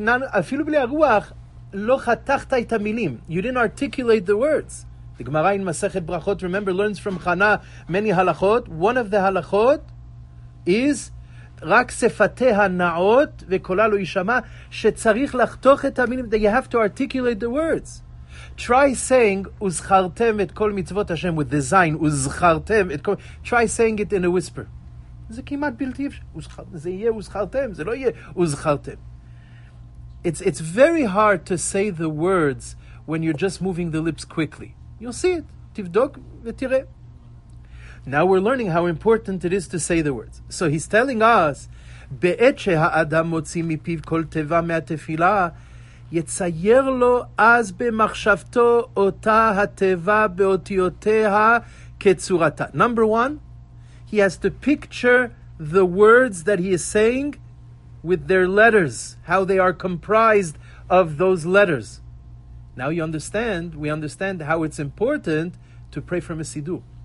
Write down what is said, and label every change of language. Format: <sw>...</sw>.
<he>אפילו בלי הרוח לא חתכת את המילים.</he> <en>You didn't articulate the words. The Gemara in Masechet Brachot, remember, learns from Chana many halachot. One of the halachot is</en> <he>רק שפתיה נעות וקולה לא ישמע, שצריך לחתוך את המילים.</he> <en>You have to articulate the words. Try saying</en> <he>וזכרתם את כל מצוות השם</he> <en>with the zayin,</en> <he>וזכרתם את כל...</he> <en>Try saying it in a whisper.</en> <he>זה כמעט בלתי אפשר. זה יהיה וזכרתם, זה לא יהיה וזכרתם.</he> <en>It's very hard to say the words when you're just moving the lips quickly. You'll see it.</en> <he>תבדוק ותראה.</he> <en>Now we're learning how important it is to say the words. So he's telling us,</en> <he>בעת שהאדם מוציא מפיו כל תיבה מהתפילה, יצייר לו אז במחשבתו אותה התיבה באותיותיה כצורתה.</he> <en>Number one, he has to picture the words that he is saying with their letters, how they are comprised of those letters. Now you understand, we understand how it's important to pray from a siddur.</en>